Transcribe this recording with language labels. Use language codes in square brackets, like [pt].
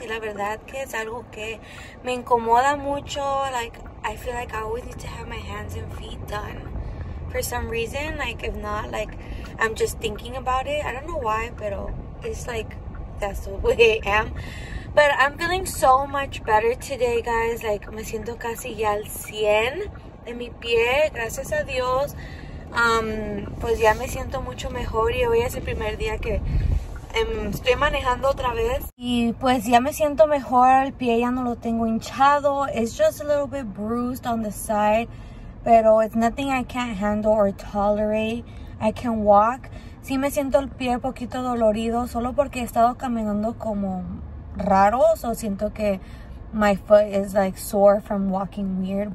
[es] Y la verdad que es algo que me incomoda mucho. [en] Like, I feel like I always need to have my hands and feet done. For some reason, like, if not, like, I'm just thinking about it. I don't know why, but it's like, that's the way I am. But I'm feeling so much better today, guys. [es] Like, me siento casi ya al 100 de mi pie. Gracias a Dios. Pues ya me siento mucho mejor. Y hoy es el primer día que estoy manejando otra vez. Y pues ya me siento mejor. El pie ya no lo tengo hinchado. [en] It's just a little bit bruised on the side. Pero it's nothing I can't handle or tolerate. I can walk. [es] Sí me siento el pie poquito dolorido. Solo porque he estado caminando como raro. So siento que [en] my foot is like sore from walking weird.